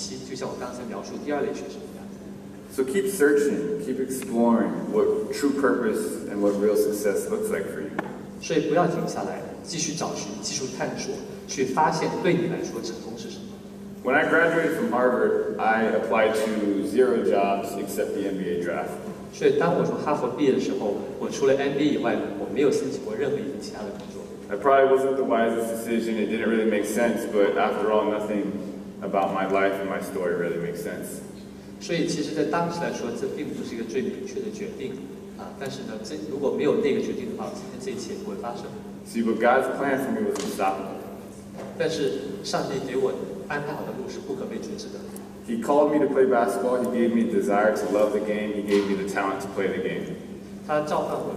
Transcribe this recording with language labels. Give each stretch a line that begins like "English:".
Chinese: 几乎肯定我们每一位都会经历过一个绝望和低潮的时期，就像我刚才描述第二类学生一样。
English: So keep searching, keep exploring what true purpose and what real success looks like for you.
Chinese: 所以不要停下来，继续找寻，继续探索，去发现对你来说成功是什么。
English: When I graduated from Harvard, I applied to zero jobs except the NBA draft.
Chinese: 所以当我从哈佛毕业的时候，我除了 NBA 以外，我没有申请过任何其他的工作。
English: I probably wasn't the wisest decision. It didn't really make sense, but after all, nothing about my life and my story really makes sense.
Chinese: 所以其实在当时来说，这并不是一个最明确的决定。但是呢，如果没有那个决定的话，今天这一切不会发生。
English: See, but God's plan for me was unstoppable.
Chinese: 但是上帝给我安排好的路是不可被阻止的。
English: He called me to play basketball. He gave me a desire to love the game. He gave me the talent to play the game.